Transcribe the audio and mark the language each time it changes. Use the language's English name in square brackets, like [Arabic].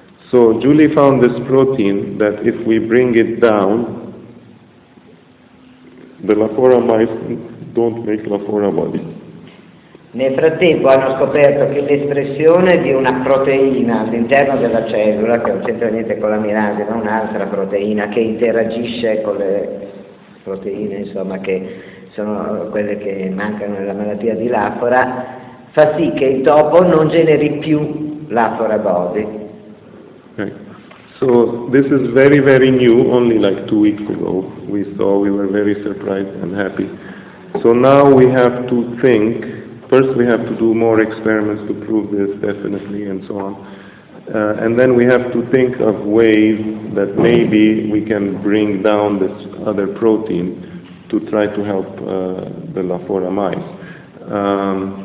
[English] So Julie found this protein that if we bring it down, the Lafora mice don't make Lafora body. [Italian] Nel frattempo hanno scoperto che l'espressione di una proteina all'interno della cellula, che non c'entra niente con la milanese, ma un'altra proteina che interagisce con le proteine, insomma, che sono quelle che mancano nella malattia di Lafora, fa sì che il topo non generi più Lafora body. Okay. [English] So this is very, very new, only like 2 weeks ago we saw, we were very surprised and happy. So now we have to think, first we have to do more experiments to prove this definitely and so on, and then we have to think of ways that maybe we can bring down this other protein to try to help the Lafora mice.